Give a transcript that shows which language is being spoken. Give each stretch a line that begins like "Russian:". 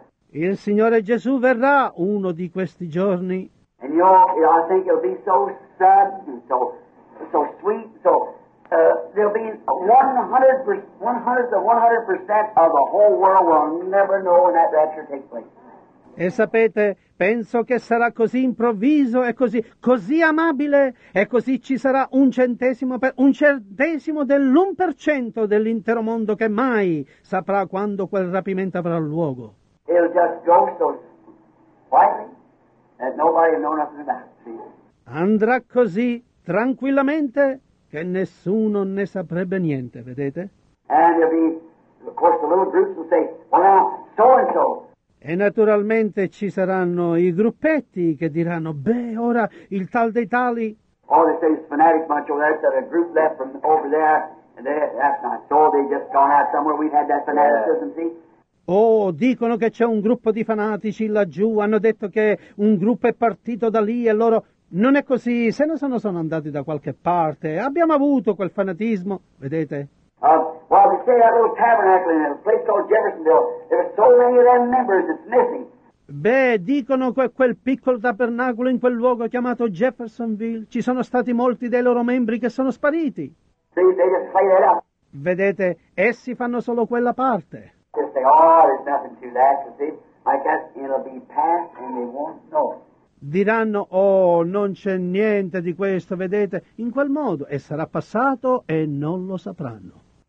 Italian: Il Signore Gesù verrà uno di questi giorni.
English: And you know, I think it'll be so sudden, so sweet, so... there'll be 100% of the whole world will never know when that rapture takes place.
Italian: E sapete, penso che sarà così improvviso e così amabile e così ci sarà un centesimo dell'1% dell'intero mondo che mai saprà quando quel rapimento avrà luogo.
English: It'll just go so quietly that nobody will know nothing about it.
Italian: Andrà così tranquillamente che nessuno ne saprebbe niente, vedete?
English: And there'll be, of course, the little groups will say, well now, so and so.
Italian: E naturalmente ci saranno i gruppetti che diranno, beh, ora il tal dei tali.
English: Or they say, fanatic bunch over there, that a group left from over there, and they, that's not so, they just gone out somewhere, we had that fanaticism, see?
Italian: Oh, dicono che c'è un gruppo di fanatici laggiù, hanno detto che un gruppo è partito da lì e loro... Non è così, se non sono andati da qualche parte, abbiamo avuto quel fanatismo, vedete?
English: Well, they say that little tabernacle in a place called Jeffersonville, there are so many of them members, it's missing.
Italian: Beh, dicono che quel piccolo tabernacolo in quel luogo chiamato Jeffersonville, ci sono stati molti dei loro membri che sono spariti.
English: See, they just play that up.
Italian: Vedete, essi fanno solo quella parte.
English: They say, oh, there's nothing to that, you see, I guess it'll be past and they won't know.
Italian: Diranno, oh, non c'è niente di questo, vedete, in quel modo, e sarà passato e non lo sapranno.